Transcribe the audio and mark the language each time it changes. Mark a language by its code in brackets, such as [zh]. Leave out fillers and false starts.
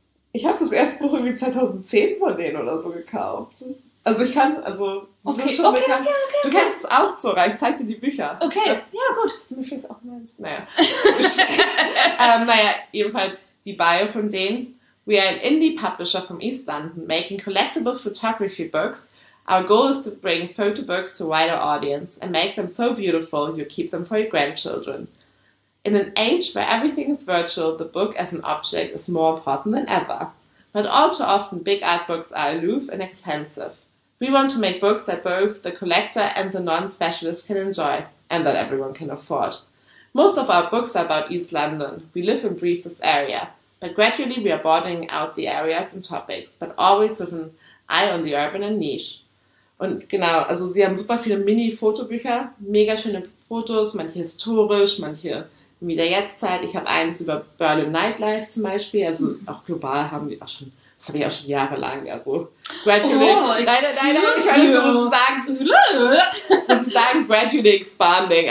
[de] Ich habe das erste Buch irgendwie 2010 von denen oder so gekauft. Also ich kann, also... Okay, sind schon okay, okay, okay, okay. Du kennst es auch, Zora. Ich zeig dir die Bücher. Okay, ja, gut. Hast du mich vielleicht auch mal... Naja. naja, jedenfalls die Bio von denen. [en] We are an indie publisher from East London, making collectible photography books. Our goal is to bring photo books to a wider audience and make them so beautiful you keep them for your grandchildren. In an age where everything is virtual, the book as an object is more important than ever. But all too often, big art books are aloof and expensive. We want to make books that both the collector and the non-specialist can enjoy, and that everyone can afford. Most of our books are about East London. We live and breathe this area, but gradually we are broadening out the areas and topics, but always with an eye on the urban and niche. [de] Und genau, also sie haben super viele Mini-Fotobücher, mega schöne Fotos, manche historisch, manche wieder Jetztzeit. Ich habe eins über Berlin Nightlife zum Beispiel. Also auch global haben wir auch schon, das habe ich auch schon jahrelang. Also gradually. Ich kann sagen, [en] gradually expanding.